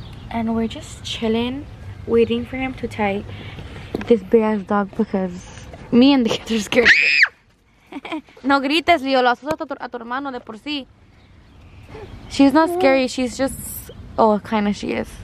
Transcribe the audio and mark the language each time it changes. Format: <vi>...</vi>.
<en>And we're just chilling, waiting for him to tie this big ass dog because me and the kids are scared.</en> <es>No grites, Leo, lo asustas a tu hermano de por sí.</es> <en>She's not scary, she's just, oh, kind of she is.</en>